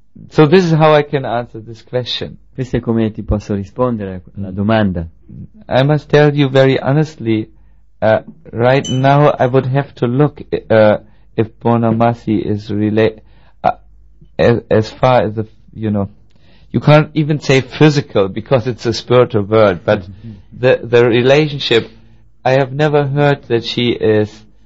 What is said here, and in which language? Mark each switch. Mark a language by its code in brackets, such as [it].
[en] So this is how I can answer this question. [it] Questo è come ti posso rispondere alla domanda. [en] I must tell you very honestly, right now I would have to look if Purnamasi is really as far as the, you know, you can't even say physical because it's a spiritual word, but the relationship, I have never heard that she is